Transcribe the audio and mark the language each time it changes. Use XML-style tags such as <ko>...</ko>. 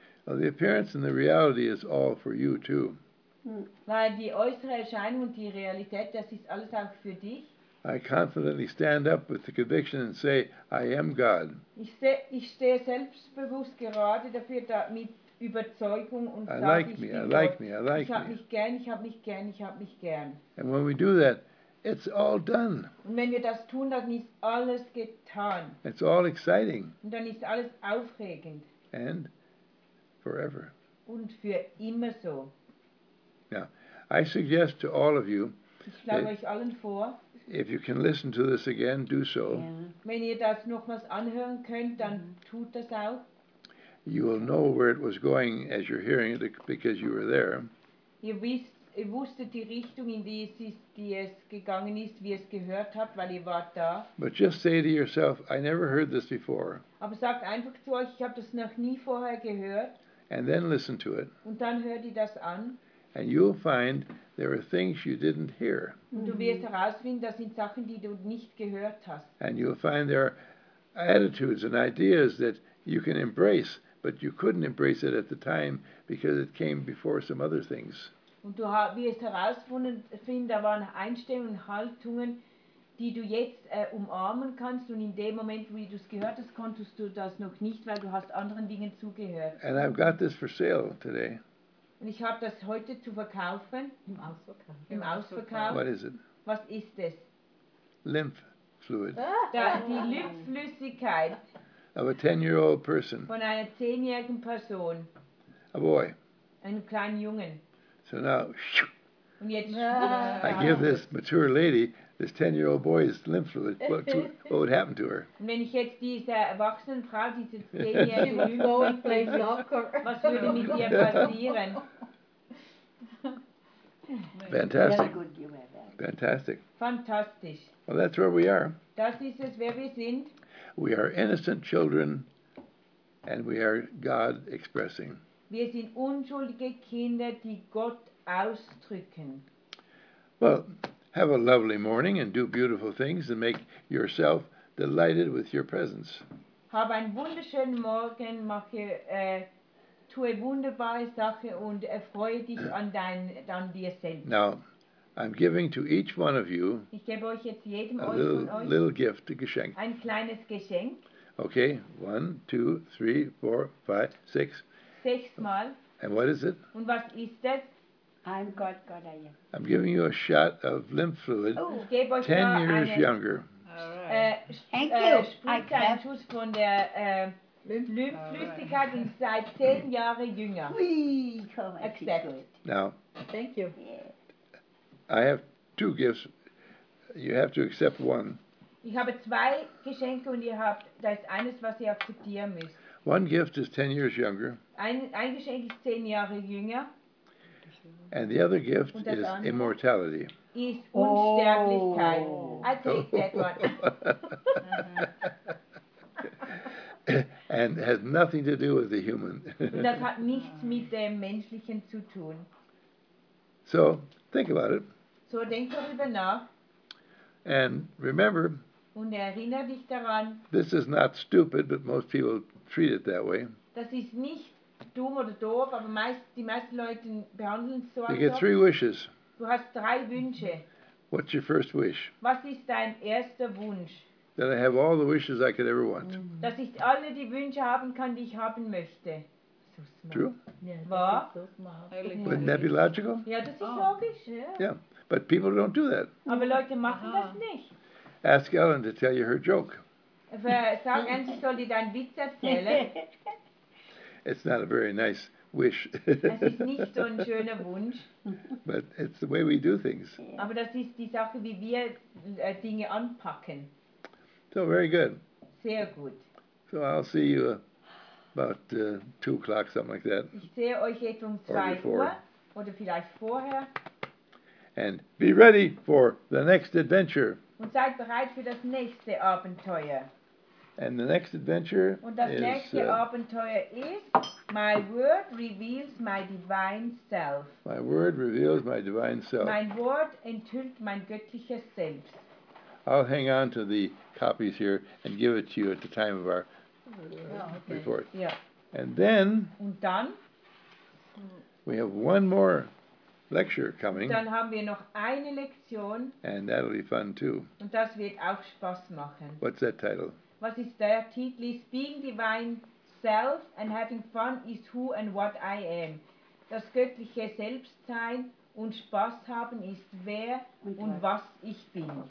<en>Well, the appearance and the reality is all for you too.</en> <de>Weil die äußere Erscheinung und die Realität, das ist alles auch für dich.</de> <en>I confidently stand up with the conviction and say, I am God.</en> <de>Ich stehe selbstbewusst gerade dafür da mit Überzeugung und sage, ich habe mich gern.</de> <en>And when we do that, it's all done.</en> <de>Und wenn wir das tun, dann ist alles getan.</de> <en>It's all exciting.</en> <de>Und dann ist alles aufregend.</de> <en>And forever.</en> <de>Und für immer so.</de> <en>Now, I suggest to all of you,</en> <de>ich schlage euch allen vor,</de> <en>if you can listen to this again, do so. Yeah.</en> <de>Wenn ihr das nochmals anhören könnt, dann tut das auch.</de> <en>You will know where it was going as you're hearing it because you were there.</en> <de>Ihr wisst, ich wusste die Richtung, in die es gegangen ist, wie es gehört hat, weil ich war da.</de> <en>But just say to yourself, I never heard this before.</en> <de>Aber sagt einfach zu euch, ich habe das noch nie vorher gehört.</de> <en>And then listen to it.</en> <de>Und dann hört ihr das an.</de> <en>And you'll find there are things you didn't hear.</en> <de>Und du wirst herausfinden, das sind Sachen, die du nicht gehört hast.</de> <en>And you'll find there are attitudes and ideas that you can embrace, but you couldn't embrace it at the time because it came before some other things.</en> <de>Und du wirst herausfinden, da waren Einstellungen, Haltungen, die du jetzt umarmen kannst. Und in dem Moment, wo du es gehört hast, konntest du das noch nicht, weil du hast anderen Dingen zugehört.</de> <en>And I've got this for sale today.</en> <de>Und ich habe das heute zu verkaufen. Im Ausverkauf. Im Ausverkauf.</de> <en>What is it?</en> <de>Was ist es?</de> <en>Lymph fluid.</en> <de>Da, die Lymphflüssigkeit.</de> <en>Of a 10-year-old person.</en> <de>Von einer 10-jährigen Person.</de> <en>A boy.</en> <de>Einen kleinen Jungen.</de> <en>So now,</en> <de>und jetzt,</de> <en>I give this mature lady, this 10-year-old boy, is lymph fluid. What would happen to her?</en> <de>Und wenn ich jetzt diese erwachsene Frau, diese 10-jährige Jungen,</de> <en>play soccer,</en> <de>was würde mit ihr passieren?</de> <en>Fantastic. Fantastic.</en> <de>Fantastisch.</de> <en>Well, that's where we are.</en> <de>Das ist es, wer wir sind.</de> <en>We are innocent children, and we are God expressing.</en> <de>Wir sind unschuldige Kinder, die Gott ausdrücken.</de> <en>Well, have a lovely morning and do beautiful things and make yourself delighted with your presence.</en> <de>Hab einen wunderschönen Morgen, tue wunderbare Sachen und erfreue dich an dir selbst.</de> <en>Now, I'm giving to each one of you</en> <de>ich gebe euch jetzt jedem</de> <en>little gift, a Geschenk.</en> <de>Ein kleines Geschenk.</de> <en>Okay, 1, 2, 3, 4, 5, 6.</en> <de>Sechsmal.</de> <en>And what is it?</en> <de>Und was ist es?</de> <en>I'm God, God I am. I'm giving you a shot of lymph fluid.</en> <de>Oh, ich gebe euch</de> <en>10 years younger. Thank you. I have</en> <de>Schuss von der Lymphflüssigkeit und seit 10 Jahre jünger.</de> <fr>Oui,</fr> <en>come accept. Now. Thank you. I have two gifts. You have to accept one.</en> <de>Ich habe zwei Geschenke und ihr habt das eines, was ihr akzeptieren müsst.</de> <en>One gift is 10 years younger.</en> <de>Ein Geschenk ist 10 Jahre jünger.</de> <en>And the other gift is immortality.</en> <de>Ist Unsterblichkeit. Oh.</de> <en>I take that one. And has nothing to do with the human.</en> <de>Und das hat nichts mit dem Menschlichen zu tun.</de> <en>So, think about it.</en> <de>So, denk darüber nach.</de> <en>And remember,</en> <de>und erinnere dich daran,</de> <en>this is not stupid, but most people treat it that way.</en> <de>Das ist nicht dumm oder doof, aber die meisten Leute behandeln es so.</de> <en>You get three wishes.</en> <de>Du hast drei Wünsche.</de> <en>What's your first wish?</en> <de>Was ist dein erster Wunsch?</de> <en>That I have all the wishes I could ever want.</en> <de>Dass ich alle die Wünsche haben kann, die ich haben möchte.</de> <en>True? Yeah,</en> <de>war?</de> <en>So wouldn't that be logical?</en> <de>Ja, das ist logisch.</de> <en>Yeah. Yeah, but people don't do that.</en> <de>Aber Leute machen das nicht.</de> <en>Ask Ellen to tell you her joke.</en> <de>Sag Ellen, soll dir deinen Witz erzählen.</de> <en>It's not a very nice wish.</en> <de>Es ist nicht so ein schöner Wunsch.</de> <en>But it's the way we do things. Yeah.</en> <de>Aber das ist die Sache, wie wir Dinge anpacken.</de> <en>So, very good.</en> <de>Sehr gut.</de> <en>So, I'll see you about 2 o'clock, something like that.</en> <de>Ich sehe euch etwa um 2 Uhr oder vielleicht vorher.</de> <en>And be ready for the next adventure.</en> <de>Und seid bereit für das nächste Abenteuer.</de> <en>And the next adventure</en> <de>und das</de> <en>is,</en> <de>nächste Abenteuer ist</de> <en>my word reveals my divine self. My word reveals my divine self.</en> <de>Mein Wort enthüllt mein göttliches Selbst.</de> <en>I'll hang on to the copies here and give it to you at the time of our report. Yeah. And then</en> <de>und dann</de> <en>we have one more lecture coming.</en> <de>Dann haben wir noch eine Lektion.</de> <en>And that'll be fun too.</en> <de>Und das wird auch Spaß machen.</de> <en>What's that title?</en> <de>Was ist der Titel?</de> <en>Is being divine self and having fun is who and what I am.</en> <de>Das göttliche Selbstsein und Spaß haben ist wer und was ich bin.</de>